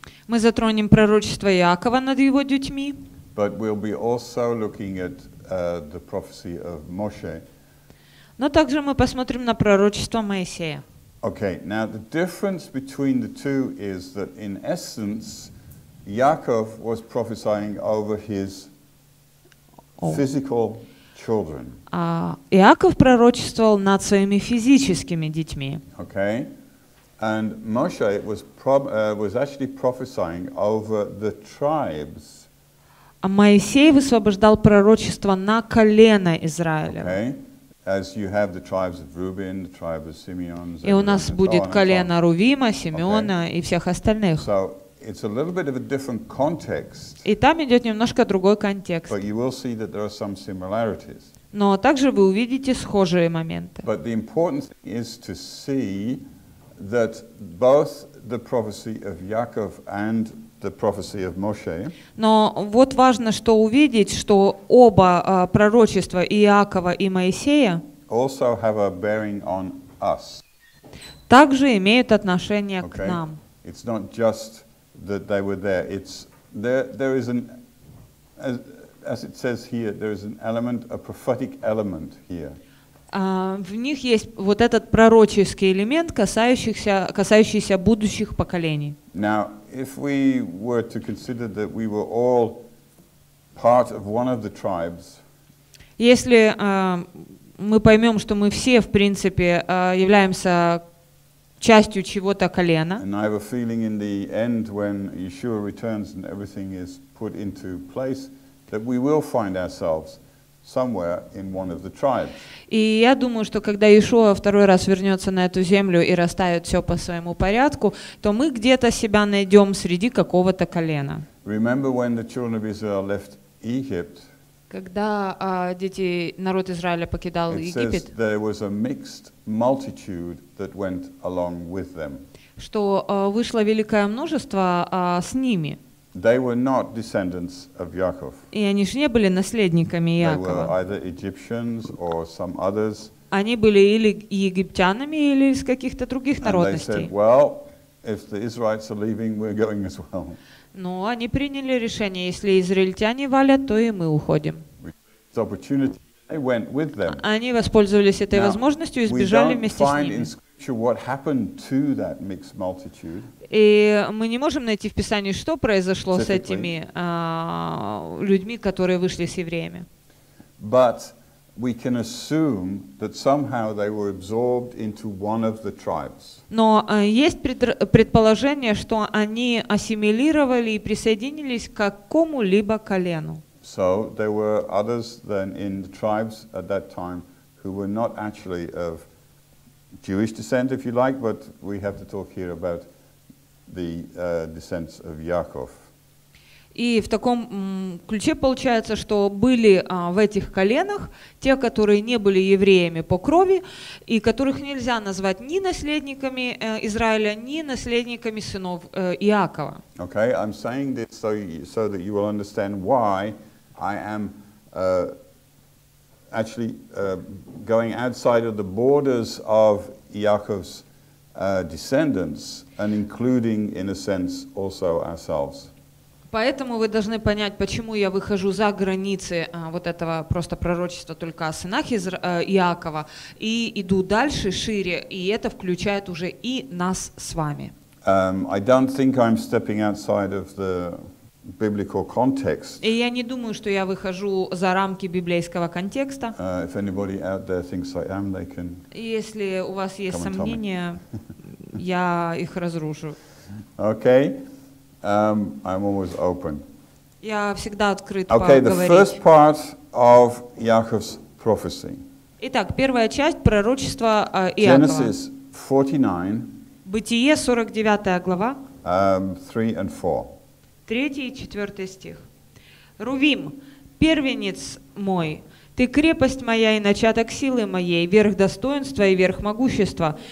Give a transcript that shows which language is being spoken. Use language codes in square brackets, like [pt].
[ru] Мы затронем пророчество Иакова над его детьми. [en] But we'll be also looking at the prophecy of Moshe. [ru] Но также мы посмотрим на пророчество Моисея. [en] Okay, now the difference between the two is that in essence Yaakov was prophesying over his physical children. [ru] Иаков пророчествовал над своими физическими детьми. [en] Okay. And Moshe was actually prophesying over the tribes. [ru] А Моисей высвобождал пророчество на колено Израиля. [en] Okay. As you have the tribes of Reuben, the tribe of Simeon. [ru] И у нас будет колено Рувима, Симеона и всех остальных. [en] So it's a little bit of a different context. [ru] И там идет немножко другой контекст. [en] But you will see that there are some similarities. [ru] Но также вы увидите схожие моменты. [en] But the important thing is to see that both the prophecy of Yaakov and the prophecy of Moshe. [ru] Но вот важно, что увидеть, что оба пророчества Иакова и Моисея [en] also have a bearing on us. [ru] Также имеют отношение к нам. [en] It's not just that they were there. It's there is an as it says here, there is an element, a prophetic element here. [ru] В них есть вот этот пророческий элемент, касающийся будущих поколений. [en] Now, if we were to consider that we were all part of one of the tribes, [ru] если мы поймем, что мы все, в принципе, являемся частью чего-то колена, [en] and I have a feeling in the end when Yeshua returns and everything is put into place, that we will find ourselves somewhere in one of the tribes. [ru] И я думаю, что когда Иешуа второй раз вернется на эту землю и расставит все по своему порядку, то мы где-то себя найдем среди какого-то колена. [en] Remember when the children of Israel left Egypt? [ru] Когда дети народ Израиля покидал Египет? [en] It says there was a mixed multitude that went along with them. [ru] Что вышло великое множество с ними. [en] They were not descendants of Yaakov. [ru] И они же не были наследниками Иакова. [en] They were either Egyptians or some others. [ru] Они были или египтянами, или из каких-то других народностей. [en] And they said, well, if the Israelites are leaving, we're going as well. [ru] Но они приняли решение, если израильтяне валят, то и мы уходим. [en] The opportunity, they went with them. [ru] Они воспользовались этой возможностью и сбежали вместе с ними. [en] What happened to that mixed multitude? [ru] И мы не можем найти в Писании, что произошло с этими людьми, которые вышли с евреями. [en] But we can assume that somehow they were absorbed into one of the tribes. [ru] Но есть предположение, что они ассимилировали и присоединились к какому-либо колену. [en] So there were others than in the tribes at that time who were not actually of Jewish descent, if you like, but we have to talk here about the descendants of Yaakov. [ru] И в таком ключе получается, что были в этих коленах те, которые не были евреями по крови, и которых нельзя назвать ни наследниками Израиля, ни наследниками сынов Иакова. [en] Okay, I'm saying this so that you will understand why I am actually going outside of the borders of Yaakov's descendants and including, in a sense, also ourselves. [ru] Поэтому вы должны понять, почему я выхожу за границы вот этого просто пророчества только о сынах Иакова и иду дальше, шире, и это включает уже и нас с вами. [en] I don't think I'm stepping outside of the biblical context. [ru] И я не думаю, что я выхожу за рамки библейского контекста. [en] If anybody out there thinks I am, they can. [ru] Если у вас есть сомнения, я их разрушу. [en] Okay. I'm always open. [ru] Я всегда открыт поговорить. [en] Okay, the first part of Яков's prophecy. [ru] Итак, первая часть пророчества Иакова. [en] Genesis 49. [ru] Бытие 49 глава. [en] 3 and 4. [ru] Третий и четвертый стих. Рувим, первенец мой, ты крепость моя и начаток силы моей, верх достоинства и верх могущества.